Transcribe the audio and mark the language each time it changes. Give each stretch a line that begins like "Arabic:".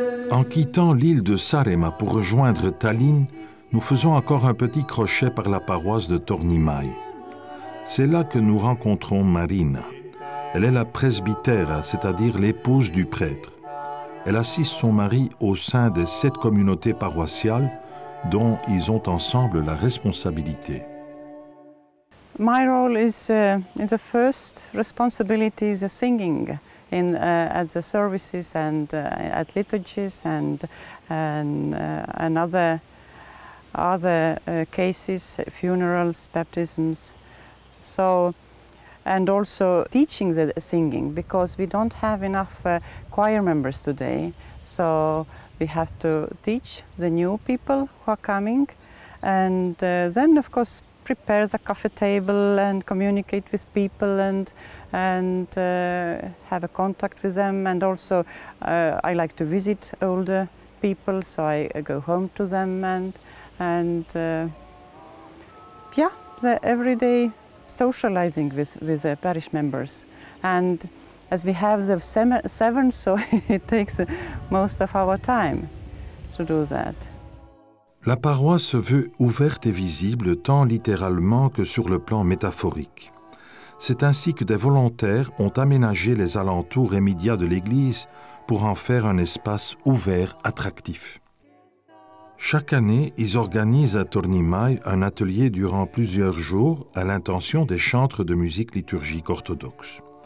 French: En quittant l'île de Saaremaa pour rejoindre Tallinn, nous faisons encore un petit crochet par la paroisse de Tornimäe. C'est là que nous rencontrons Marina. Elle est la presbytère, c'est-à-dire l'épouse du prêtre. Elle assiste son mari au sein des 7 communautés paroissiales dont ils ont ensemble la responsabilité.
English: My role is the first responsibility is the singing in at the services and at liturgies and other cases, funerals, baptisms, so, and also teaching the singing, because we don't have enough choir members today, so we have to teach the new people who are coming, and then of course prepare the coffee table and communicate with people and have a contact with them, and also I like to visit older people, so I go home to them and the everyday socializing with the parish members. And as we have the 7, so it takes most of our time to do that.
French: La paroisse se veut ouverte et visible tant littéralement que sur le plan métaphorique. C'est ainsi que des volontaires ont aménagé les alentours immédiats de l'église pour en faire un espace ouvert, attractif. Chaque année, ils organisent à Tornimäe un atelier durant plusieurs jours à l'intention des chantres de musique liturgique orthodoxe.